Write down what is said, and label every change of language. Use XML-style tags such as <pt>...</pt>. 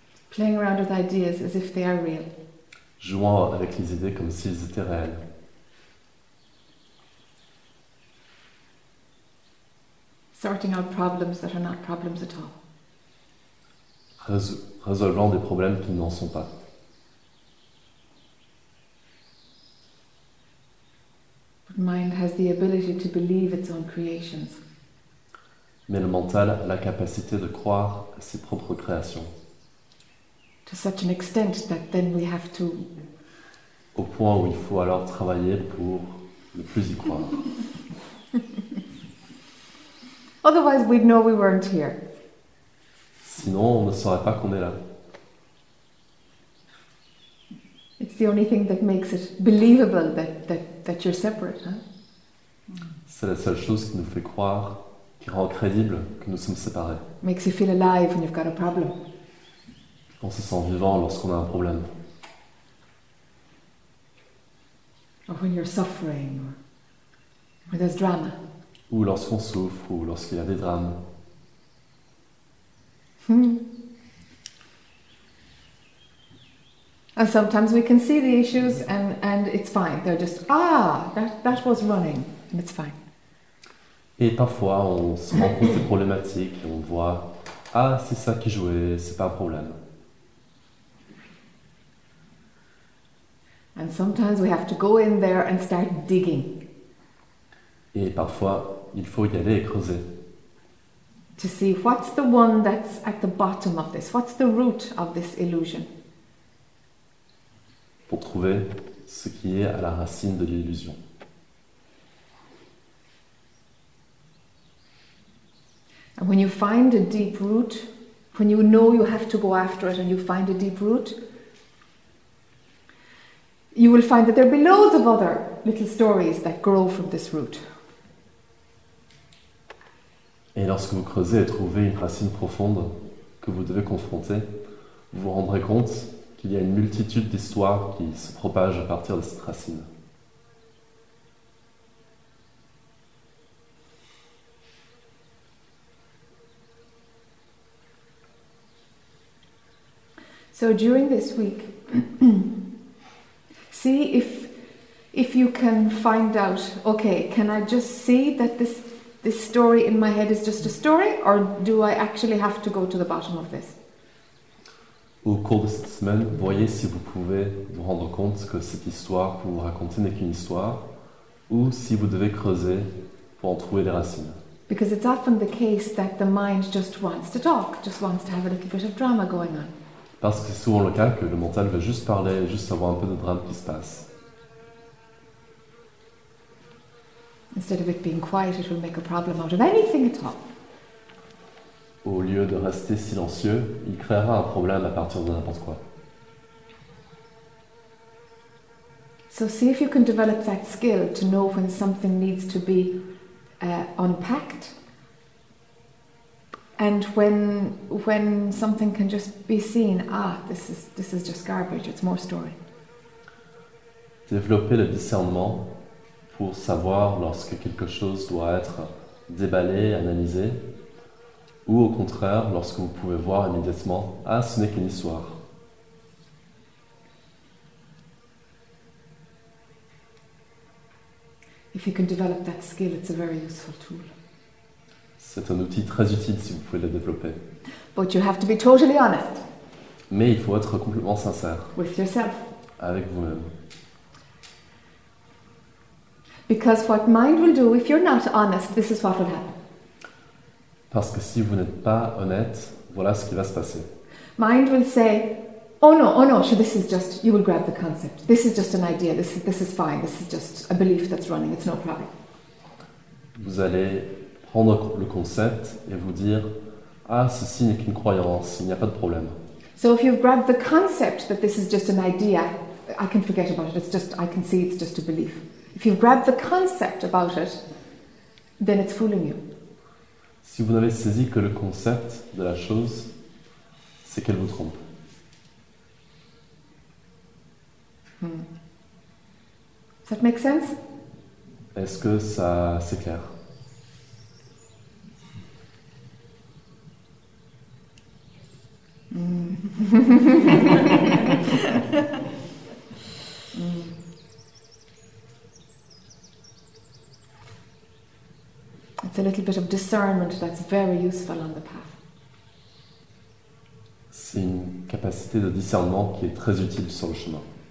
<en>Playing around with ideas as if they are real.</en> <fr>Jouant avec les idées comme s'ils étaient réels.</fr> <en>Sorting out problems that are not problems at all.</en> <fr>Résolvant des problèmes qui n'en sont pas.</fr> <en>But mind has the ability to believe its own creations.</en> <fr>Mais le mental a la capacité de croire à ses propres créations.</fr> <en>To such an extent that then we have to...</en> <fr>Au point où il faut alors travailler pour ne plus y croire.</fr> <en>Otherwise we'd know we weren't here.</en> <fr>Sinon, on ne saurait pas qu'on est là.</fr> <en>It's the only thing that makes it believable that you're separate, huh?</en> <fr>C'est la seule chose qui nous fait croire, qui rend crédible que nous sommes séparés.</fr> <en>Makes you feel alive when you've got a problem.</en> <fr>On se sent vivant lorsqu'on a un problème.</fr> <en>Or when you're suffering, or when there's drama.</en> <fr>Ou lorsqu'on souffre, ou lorsqu'il y a des drames.</fr> <en>And sometimes we can see the issues and it's fine. They're just that was running and it's fine.</en> <fr>Et parfois on se rend compte des problématiques et on voit c'est ça qui jouait, c'est pas un problème.</fr> <en>And sometimes we have to go in there and start digging.</en> <fr>Et parfois il faut y aller et creuser.</fr> <en>To see what's the one that's at the bottom of this, what's the root of this illusion.</en> <fr>Pour trouver ce qui est à la racine de l'illusion.</fr> <en>And when you find a deep root, when you know you have to go after it and you find a deep root, you will find that there will be loads of other little stories that grow from this root.</en> <fr>Et lorsque vous creusez et trouvez une racine profonde que vous devez confronter, vous vous rendrez compte qu'il y a une multitude d'histoires qui se propagent à partir de cette racine.</fr> <en>So during this week, see if you can find out, okay, can I just see that this story in my head is just a story, or do I actually have to go to the bottom of this?</en> <fr>Au cours de cette semaine, voyez si vous pouvez vous rendre compte que cette histoire que vous racontez n'est qu'une histoire, ou si vous devez creuser pour en trouver les racines.</fr> <en>Because it's often the case that the mind just wants to talk, just wants to have a little bit of drama going on.</en> <fr>Parce que c'est souvent le cas que le mental veut juste parler, juste avoir un peu de drame qui se passe.</fr> <en>Instead of it being quiet, it will make a problem out of anything at all.</en> <fr>Au lieu de rester silencieux, il créera un problème à partir de n'importe quoi.</fr> <en>So see if you can develop that skill to know when something needs to be unpacked, and when something can just be seen. This is just garbage. It's more story.</en> <fr>Développer le discernement pour savoir lorsque quelque chose doit être déballé, analysé, ou au contraire, lorsque vous pouvez voir immédiatement, ce n'est qu'une histoire.</fr> <en>If you can develop that skill, it's a very useful tool.</en> <fr>C'est un outil très utile si vous pouvez le développer.</fr> <en>But you have to be totally honest.</en> <fr>Mais il faut être complètement sincère.</fr> <en>With yourself.</en> <fr>Avec vous-même.</fr> <en>Because what mind will do if you're not honest, this is what will happen.</en> <fr>Parce que si vous n'êtes pas honnête, voilà ce qui va se passer.</fr> <en>Mind will say, oh no, so this is just, you will grab the concept. This is just an idea, this is fine, this is just a belief that's running, it's no problem.</en> <fr>Vous allez prendre le concept et vous dire, ceci n'est qu'une croyance, il n'y a pas de problème.</fr> <en>So if you've grabbed the concept that this is just an idea, I can forget about it, I can see it's just a belief. If you've grabbed the concept about it, then it's fooling you.</en> <fr>Si vous n'avez saisi que le concept de la chose, c'est qu'elle vous trompe. Ça fait sens? Est-ce que ça c'est clair?</fr> <en>It's a little bit of discernment that's very useful on the path.</en> <fr>C'est une capacité de discernement qui est très utile sur le chemin.</fr>